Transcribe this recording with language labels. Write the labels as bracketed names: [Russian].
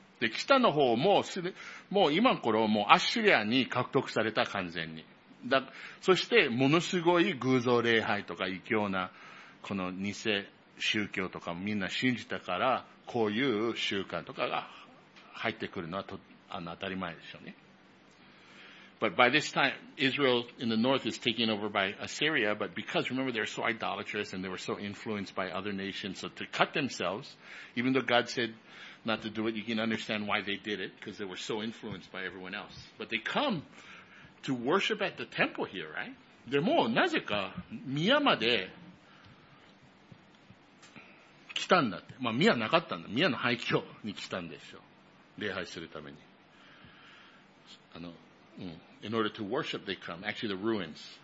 [Japanese] で、北の方も、もう今の頃、もうアッシリアに獲得された完全に。そして、ものすごい偶像礼拝とか、異教な、この偽宗教とかもみんな信じたから、こういう習慣とかが入ってくるのは当たり前でしょうね。 [English] But by this time, Israel in the north is taken over by Assyria, but because, remember, they're so idolatrous and they were so influenced by other nations, so to cut themselves, even though God said not to do it, you can understand why they did it, because they were so influenced by everyone else. But they come to worship at the temple here, right? [Japanese] でも、なぜか、宮まで来たんだって。まあ、宮なかったんだ。宮の廃墟に来たんでしょう。礼拝するために。 [English] In order to worship, they come. Actually, the ruins.